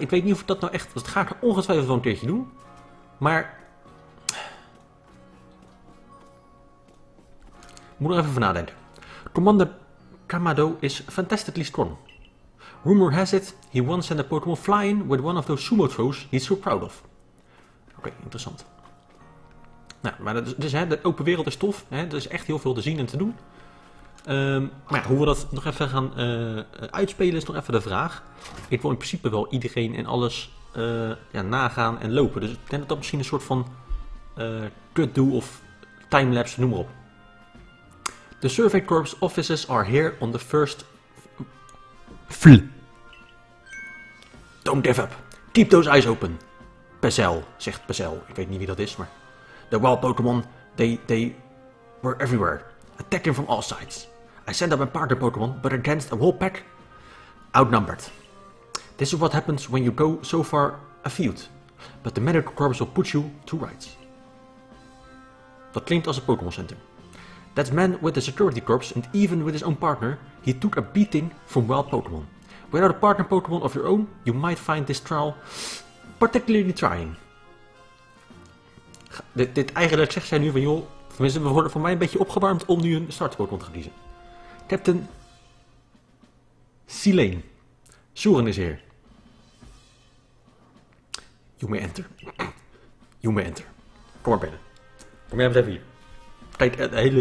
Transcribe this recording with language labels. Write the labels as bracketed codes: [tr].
[nl] Ik weet niet of ik dat nou echt. Dat ga ik er ongetwijfeld wel een keertje doen. Maar moet er even van nadenken. [en] Commander Kamado is fantastically strong. Rumor has it he once sent a Pokémon flying with one of those sumo throws he's so proud of. [nl] Oké, interessant. Nou, maar de open wereld is tof. Hè? Er is echt heel veel te zien en te doen. Maar hoe we dat nog even gaan uitspelen is nog even de vraag. Ik wil in principe wel iedereen en alles nagaan en lopen. Dus ik denk dat misschien een soort van cut-do of timelapse, noem maar op. [en] The Survey Corps offices are here on the first floor. Don't give up. Keep those eyes open. Pazel, zegt Pazel. [nl] Ik weet niet wie dat is, maar [en] the wild Pokémon, they were everywhere. Attacking from all sides. I sent up a partner Pokémon, but against a whole pack, outnumbered. This is what happens when you go so far afield. But the medical corps will put you to rights. [nl] Dat klinkt als een Pokémon Center. [en] That man with the security corps, and even with his own partner, he took a beating from wild Pokémon. Without a partner Pokémon of your own, you might find this trial particularly trying. [nl] Dit eigenlijk zegt zij nu van joh, tenminste we worden van mij een beetje opgewarmd om nu een starter Pokémon te kiezen. Captain Silene. Soren is hier. [en] You may enter. [nl] Kom maar binnen. Kom jij even hier. Kijk, het hele.